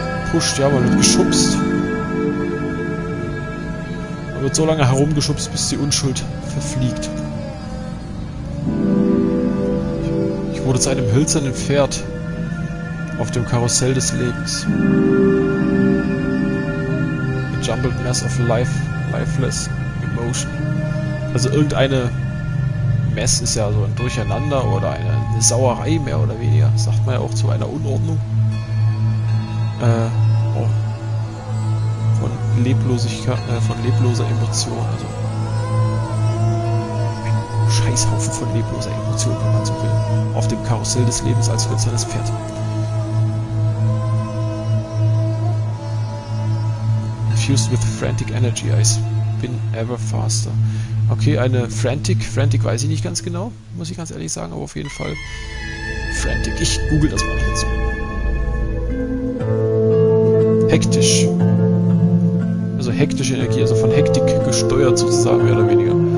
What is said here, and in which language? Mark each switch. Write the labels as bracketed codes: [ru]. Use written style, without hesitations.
[de] Pusht, ja, man wird geschubst. Man wird so lange herumgeschubst, bis die Unschuld verfliegt. Ich wurde zu einem hölzernen Pferd. Auf dem Karussell des Lebens. [en] A jumbled mess of lifeless emotion. [de] Also irgendeine Mess ist ja so ein Durcheinander oder eine Sauerei mehr oder weniger. Sagt man ja auch zu einer Unordnung. Von Leblosigkeit, von lebloser Emotion. Also ein Scheißhaufen von lebloser Emotion, wenn man so will. Auf dem Karussell des Lebens als hölzernes Pferd. [en] Fused with frantic energy, I spin ever faster. [de] Okay, eine frantic weiß ich nicht ganz genau, muss ich ganz ehrlich sagen, aber auf jeden Fall frantic. Ich google das mal dazu. Hektisch. Also hektische Energie, also von Hektik gesteuert sozusagen, mehr oder weniger.